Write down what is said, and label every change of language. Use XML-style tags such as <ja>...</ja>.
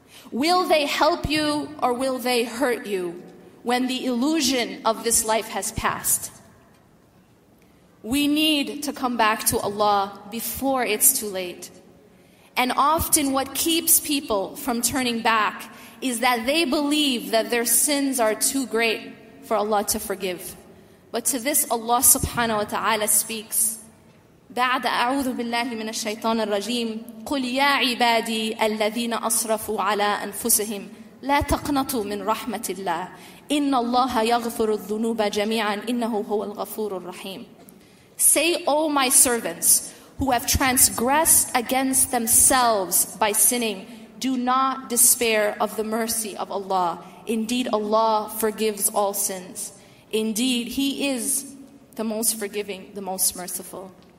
<en>Will they help you or will they hurt you when the illusion of this life has passed? We need to come back to Allah before it's too late. And often what keeps people from turning back is that they believe that their sins are too great for Allah to forgive. But to this Allah subhanahu wa ta'ala speaks,</en> <ar>بعد أعوذ بالله من الشيطان الرجيم قل يا عبادي الذين أسرفوا على أنفسهم لا تقنطوا من رحمة الله إن الله يغفر الذنوب جميعا إنه هو الغفور الرحيم.</ar> <en>Say, O my servants who have transgressed against themselves by sinning, do not despair of the mercy of Allah. Indeed, Allah forgives all sins. Indeed, He is the most forgiving, the most merciful.</en>